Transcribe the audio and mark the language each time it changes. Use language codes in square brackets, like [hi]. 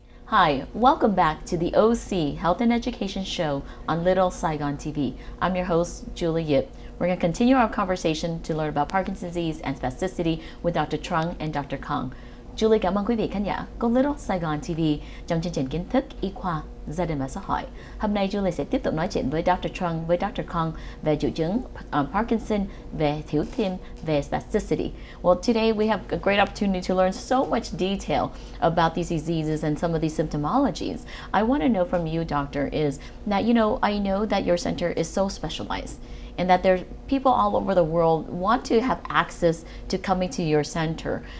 [en] Hi, welcome back to the OC Health and Education Show on Little Saigon TV. I'm your host, Julie Yip. We're going to continue our conversation to learn about Parkinson's disease and spasticity with Dr. Trung and Dr. Kong. [vi] Julie, cảm ơn quý vị khán giả của Little Saigon TV trong chương trình Kiến thức Y khoa Gia đình và Xã hội. Hôm nay Julie sẽ tiếp tục nói chuyện với Dr. Trung, với Dr. Kong về triệu chứng Parkinson, về thiếu tim, về spasticity. [en] Well, today we have a great opportunity to learn so much detail about these diseases and some of these symptomologies. I want to know from you, doctor, is that, you know, I know that your center is so specialized and that there's people all over the world want to have access to coming to your center.